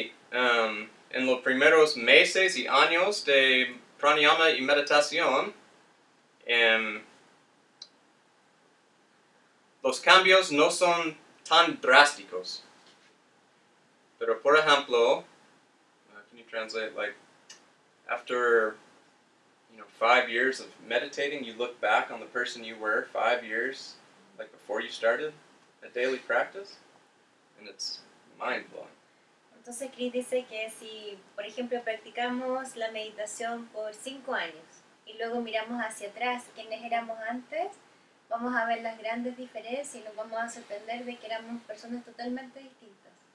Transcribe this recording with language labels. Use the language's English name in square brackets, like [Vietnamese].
[Spanish] En los primeros meses y años de pranayama y meditación, los cambios no son tan drásticos. Pero por ejemplo, [English] can you translate, like, after, you know, 5 years of meditating, you look back on the person you were 5 years, like before you started? A daily practice, and it's mind-blowing. [Spanish] Entonces, Chris dice que si, por ejemplo, practicamos la meditación por 5 años y luego miramos hacia atrás quiénes éramos antes, vamos a ver las grandes diferencias y nos vamos a sorprender de que éramos personas totalmente distintas.